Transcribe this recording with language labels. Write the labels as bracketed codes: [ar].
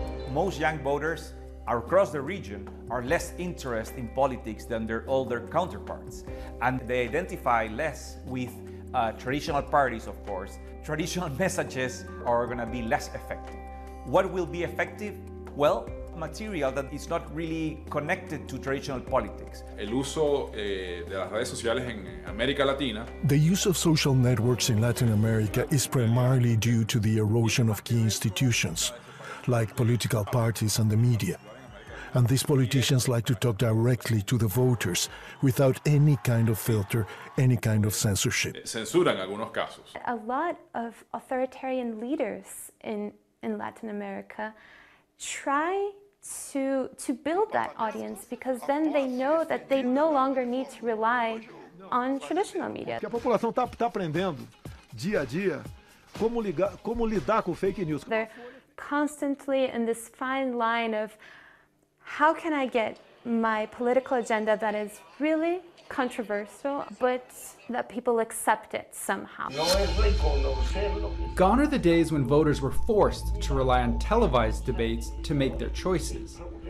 [en] Most young voters across the region are less interested in politics than their older counterparts. And they identify less with traditional parties, of course. Traditional messages are gonna be less effective. What will be effective? Well, material that is not really connected to traditional politics. [es] El uso de las redes sociales en América Latina. [en] The use of social networks in Latin America is primarily due to the erosion of key institutions, like political parties and the media. And these politicians like to talk directly to the voters without any kind of filter, any kind of censorship. [es] Censura en algunos casos. [en] A lot of authoritarian leaders in Latin America try to build that audience, because then they know that they no longer need to rely on traditional media. [pt] A população está aprendendo dia a dia como lidar com fake news. [en] They're constantly in this fine line of, how can I get my political agenda that is really controversial, but that people accept it somehow? Gone are the days when voters were forced to rely on televised debates to make their choices.